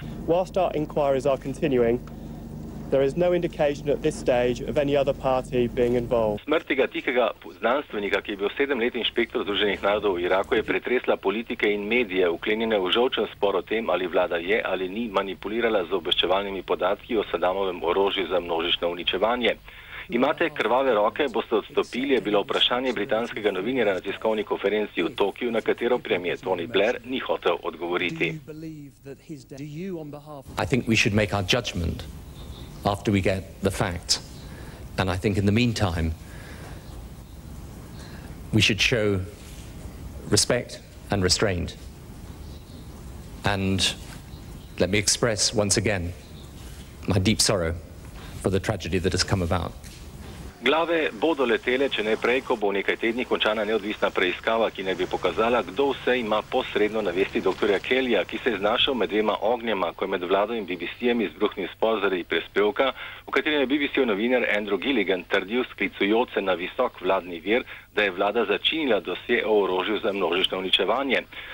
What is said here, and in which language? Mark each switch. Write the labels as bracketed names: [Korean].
[English] Whilst our inquiries are continuing, there is no indication at this stage of any other party being involved. [Slovenian] Smrt tega tihega znanstvenika, ki je bil 7 let inšpektor Združenih narodov v Iraku, je pretresla politike in medije, vklenjene v žolčen spor o tem, ali vlada je ali ni manipulirala z obveščevalnimi podatki o Saddamovem orožju za množično uničevanje. Imate krvave roke, boste odstopili, je bilo vprašanje britanskega novinarja na tiskovni konferenciji v Tokiju, na katero premier Tony Blair ni hotel odgovoriti. [English] I think we should make our judgment after we get the facts. And I think in the meantime, we should show respect and restraint. And let me express once again my deep sorrow for the tragedy that has come about. [Slovenian] Glave bodo letele, če ne prej, ko bo v nekaj tednih končana neodvisna preiskava, ki naj bi pokazala, kdo vse ima posredno navesti doktorja Kellyja, ki se je znašel med dvema ognjema, ko je med vlado in BBC-jem izbruhnil spor zaradi prispevka, v katerem je BBC-ov novinar Andrew Gilligan trdil, sklicujoč se na visok vladni vir, da je vlada začinila dosje o orožju za množično uničevanje.